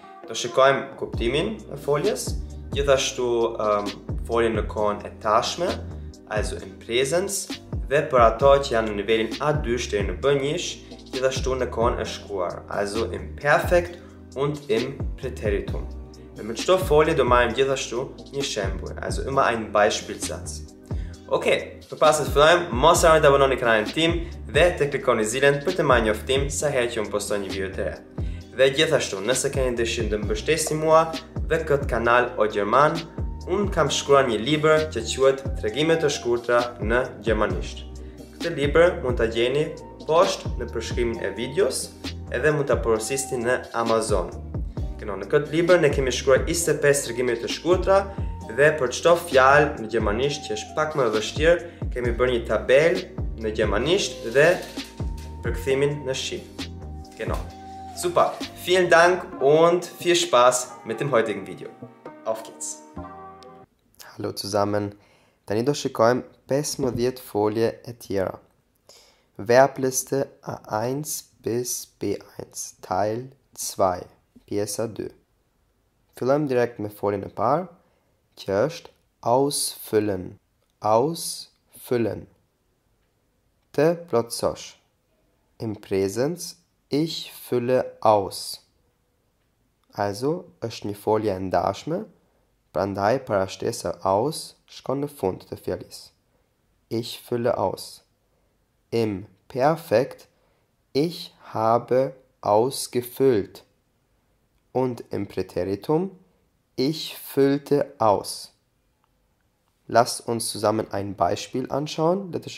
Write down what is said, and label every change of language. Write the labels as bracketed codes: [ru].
[sq] Do shikojmë kuptimin e foljes, gjithashtu foljen në kohën e tashme, [de] also im Präsens, [sq] dhe për ato që janë në nivelin A2-ish deri në B1-ish, gjithashtu në kohën e shkuar, [de] also im Perfekt und im Präteritum. Wenn mit Stofffolie, du meinst [sq] gjithashtu një shembull, [de] also immer ein Beispielsatz. Okay, verpasst es vielleicht, muss ihr euch abonnieren auf den Kanal Team, [sq] dhe të klikoni zilen për të marrë njoftim sa herë që unë postoj një video të re. Dhe gjithashtu, nëse keni dëshirë të mbështesni mua dhe këtë kanal O German, unë kam shkruar një libër që quhet Tregime të shkurtra në gjermanisht. Këtë libër mund ta gjeni poshtë në përshkrimin e videos, edhe mund ta porositni në Amazon. Në këtë libër ne kemi shkruar 25 tregime të shkurtra dhe për çdo fjalë në gjermanisht që është pak më e vështirë, kemi bërë një tabelë në gjermanisht dhe përkthimin në shqip. [de] Genau. Super. Vielen Dank und viel Spaß mit dem heutigen Video. Auf geht's. Hallo zusammen. [sq] Tani do shikojmë 15 folje e tjera. [de] Verbliste A1 bis B1, Teil 2. [sq] Pjesa 2. Fillojmë direkt me foljen e parë, që është ausfüllen. Ausfüllen. Të plotësosh. [de] Im Präsens, ich fülle aus. [sq] Also, është një folje e ndashme, prandaj parashtesa aus shkon në fund të fjalës. [de] Ich fülle aus. Im Perfekt, ich habe ausgefüllt. Und im Präteritum, ich füllte aus. Lasst uns zusammen ein Beispiel anschauen.